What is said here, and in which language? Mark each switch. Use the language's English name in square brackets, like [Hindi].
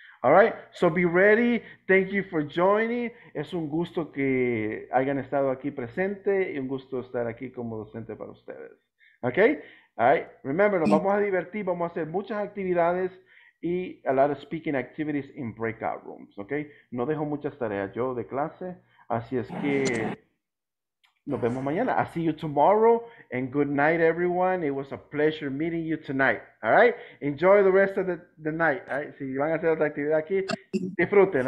[Spanish] All right, so be ready. Thank you for joining. Es un gusto que hayan estado aquí presente y un gusto estar aquí como docente para ustedes. Okay? [English] All right, remember, nos vamos a divertir, vamos a hacer muchas actividades y a lot of speaking activities in breakout rooms. Okay? [Spanish] No dejo muchas tareas yo de clase, así es que nos vemos mañana. [English] I'll see you tomorrow and good night, everyone. It was a pleasure meeting you tonight. All right? Enjoy the rest of the night. [Spanish] All right? Si van a hacer otra actividad aquí, disfruten.